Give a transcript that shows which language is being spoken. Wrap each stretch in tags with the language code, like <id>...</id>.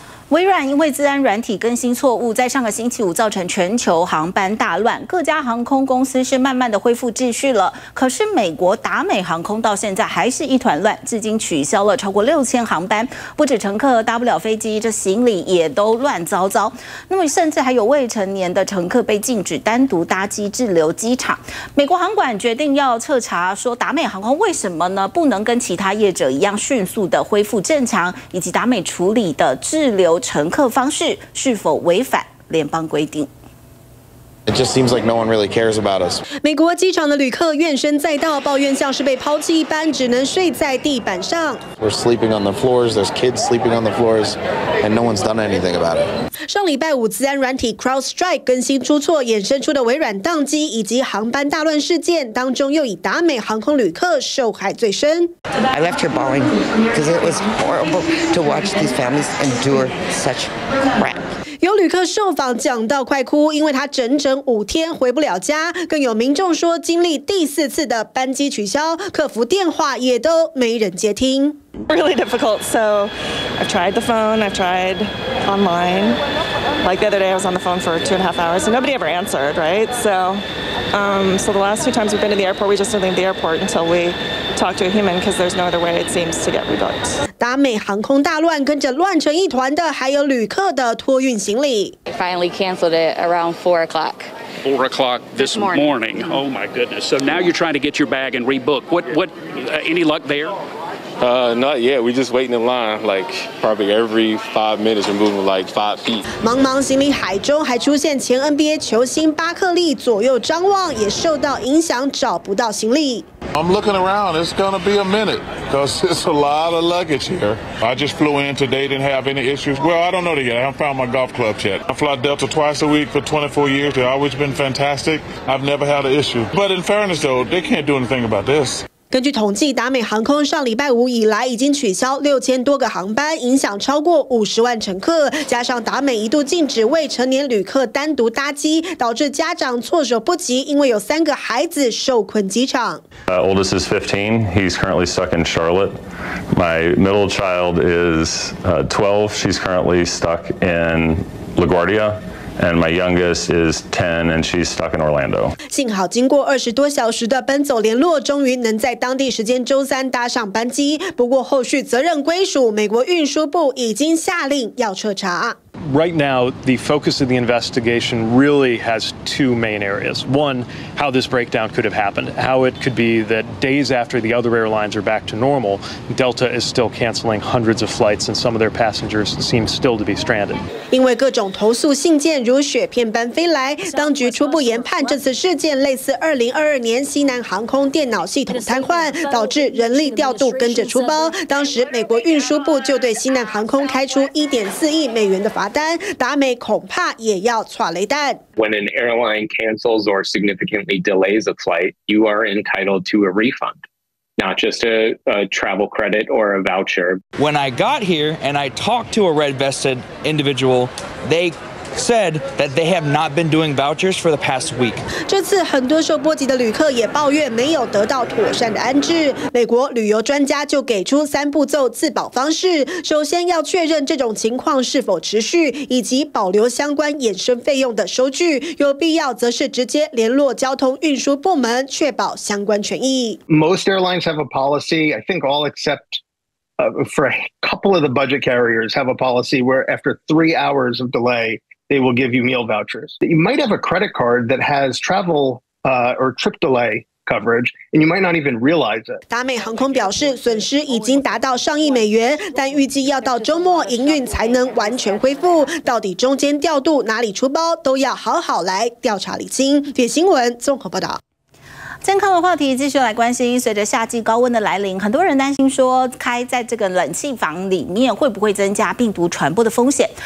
<zh>微软因为资安软体更新错误，在上个星期五造成全球航班大乱，各家航空公司是慢慢的恢复秩序了，可是美国达美航空到现在还是一团乱，至今取消了超过6000航班，不止乘客搭不了飞机，这行李也都乱糟糟，那么甚至还有未成年的乘客被禁止单独搭机滞留机场。美国航管决定要彻查，说达美航空为什么呢不能跟其他业者一样迅速的恢复正常，以及达美处理的滞留乘客方式是否违反联邦规定。</zh> <en>It just seems like no one really cares about us.</en> <zh>美国机场的旅客怨声载道，抱怨像是被抛弃一般，只能睡在地板上。</zh> <en>We're sleeping on the floors. There's kids sleeping on the floors, and no one's done anything about it.</en> <zh>上礼拜五，资安软体 CrowdStrike 更新出错，衍生出的微软宕机以及航班大乱事件当中，又以达美航空旅客受害最深。</zh> <en>I left here bawling because it was horrible to watch these families endure such crap.</en> <zh>有旅客受访讲到快哭，因为他整整五天回不了家，更有民众说经历第四次的班机取消，客服电话也都没人接听。</zh> <en>Really difficult. So I've tried the phone. I've tried online. Like the other day, I was on the phone for 2.5 hours, and nobody ever answered. Right? So the last two times we've been to the airport, we just didn't leave the airport until we talk to a human, because there's no other way it seems to get rebooked.</en> <zh>达美航空大乱，跟着乱成一团的还有旅客的托运行李。</zh> <en>I finally canceled it around 4 o'clock. 4 o'clock this morning. Oh my goodness. So now you're trying to get your bag and rebook. What? Any luck there? Not yet. We just waiting in line, like probably every 5 minutes, we're moving like 5 feet.</en> <zh>茫茫行李海中，还出现前 NBA 球星巴克利，左右张望也受到影响，找不到行李。</zh> <en>I'm looking around. It's gonna be a minute, cause it's a lot of luggage here. I just flew in today. Didn't have any issues. Well, I don't know yet. I haven't found my golf clubs yet. I fly Delta twice a week for 24 years. They've always been fantastic. I've never had an issue. But in fairness, though, they can't do anything about this.</en> <zh>根据统计，达美航空上礼拜五以来已经取消6000多个航班，影响超过500,000乘客。加上达美一度禁止未成年旅客单独搭机，导致家长措手不及，因为有三个孩子受困机场。</zh> <en>Oldest is 15. He's currently stuck in Charlotte. My middle child is 12. She's currently stuck in LaGuardia. And my youngest is 10, and she's stuck in Orlando.</en> <zh>幸好经过20多小时的奔走联络，终于能在当地时间周三搭上班机。不过后续责任归属，美国运输部已经下令要彻查。</zh> <en>Right now, the focus of the investigation really has two main areas. One, how this breakdown could have happened, how it could be that days after the other airlines are back to normal, Delta is still canceling hundreds of flights and some of their passengers seem still to be stranded.</en> <zh>因为各种投诉信件如雪片般飞来，当局初步研判这次事件类似2022年西南航空电脑系统瘫痪，导致人力调度跟着出包。当时美国运输部就对西南航空开出$1.4亿的罚单，达美恐怕也要挫雷弹。</zh> <en>When an airline cancels or significantly delays a flight, you are entitled to a refund, not just a travel credit or a voucher. When I got here and I talked to a red-vested individual, they said that they have not been doing vouchers for the past week.</en> <zh>这次很多受波及的旅客也抱怨没有得到妥善的安置。美国旅游专家就给出三步骤自保方式：首先要确认这种情况是否持续，以及保留相关衍生费用的收据；有必要则是直接联络交通运输部门，确保相关权益。</zh> <en>Most airlines have a policy. I think all except. For a couple of the budget carriers have a policy where after 3 hours of delay, they will give you meal vouchers. You might have a credit card that has travel, or trip delay. Coverage, and you might not even realize it.</en> <zh>达美航空表示，损失已经达到上亿美元，但预计要到周末营运才能完全恢复。到底中间调度哪里出包，都要好好来调查厘清。点新闻综合报道。健康的话题继续来关心，随着夏季高温的来临，很多人担心说开在这个冷气房里面会不会增加病毒传播的风险。</zh>